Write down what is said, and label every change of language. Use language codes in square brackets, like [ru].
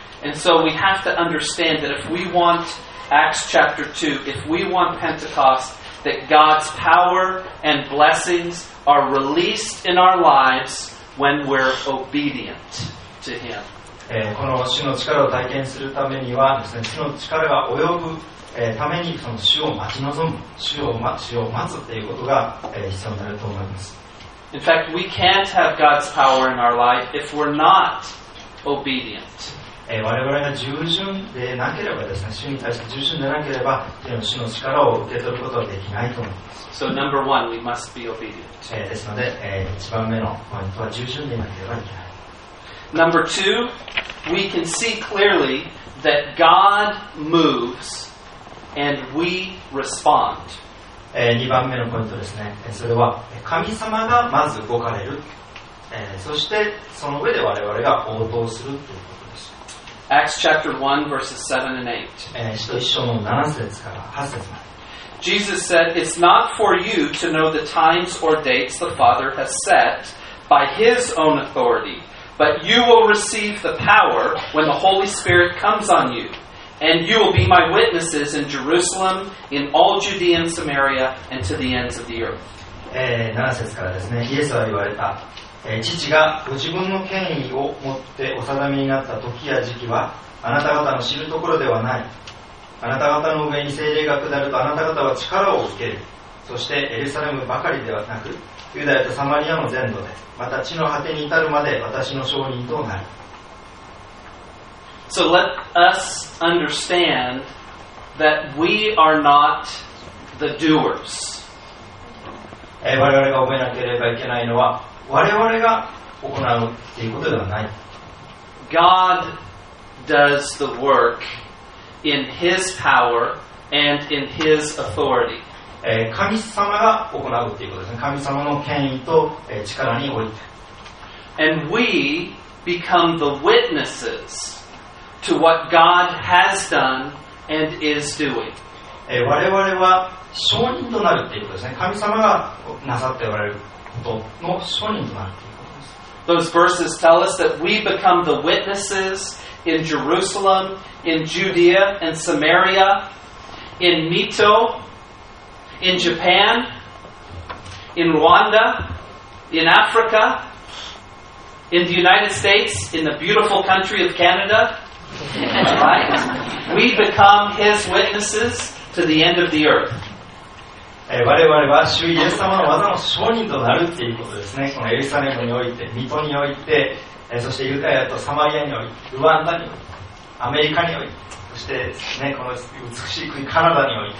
[en] And so we have to understand that if we want Acts chapter 2, if we want Pentecost, that God's power and blessings. Are released in our lives when we're obedient to Him. [ja] この主の力を体験するためにはですね、主の力が及ぶためにその主を待ち望む、主を待つということが必要になると思います。 [en] In fact, we can't have God's power in our life if we're not obedient. [ja] 我々が従順でなければですね、主に対して従順でなければ、主の力を受け取ることはできないと思います。 [en] So number one, we must be obedient. [ja] ですので、一番目のポイントは従順でなければいけない。 [en] Number two, we can see clearly that God moves and we respond. [ja] 2番目のポイントですね。それは神様がまず動かれる。そしてその上で我々が応答するということです。 [en] Acts chapter 1 verses 7 and 8. [ja] 使徒行伝の7節から8節まで。 [en] Jesus said, It's not for you to know the times or dates the Father has set by His own authority, but you will receive the power when the Holy Spirit comes on you, and you will be my witnesses in Jerusalem, in all Judea and Samaria, and to the ends of the earth. [ja] 7節からですね、イエスは言われた。父がご自分の権威を持ってお定めになった時や時期は、あなた方の知るところではない。あなた方の上に聖霊が下るとあなた方は力を受ける。そしてエルサレムばかりではなく、ユダヤとサマリアの全土で、また地の果てに至るまで私の証人となる。 [en] So let us understand that we are not the doers. [ja] 我々が覚えなければいけないのは、我々が行うということではない。 [en] God does the work. In His power and in His authority. [ja] 神様が行うということですね。神様の権威と力において。 [en] And we become the witnesses to what God has done and is doing. [ja] 我々は証人となるということですね。神様がなさっておられる、ことの証人となるということです。 [en] Those verses tell us that we become the witnesses in Jerusalem, in Judea, in Samaria, in Mito, in Japan, in Rwanda, in Africa, in the United States, in the beautiful country of Canada. Right? We become His witnesses to the end of the earth. [ja] 我々は主イエス様の技の証人となるということですね。このエルサレムにおいて、ミトにおいて、そしてユダヤとサマリアにおいて、ルワンダにおいて、アメリカにおいて、そして、ね、この美しい国カナダにおいて、